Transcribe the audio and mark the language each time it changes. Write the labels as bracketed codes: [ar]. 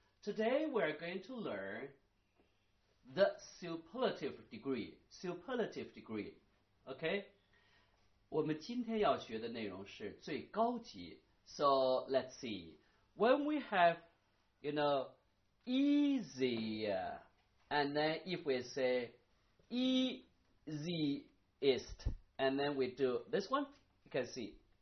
[en] Today we're going to learn the superlative degree. Superlative degree. Okay? [zh] 我们今天要学的内容是最高级。 [en] So, let's see. When we have, you know, easier, and then if we say easiest, and then we do this one, you can see.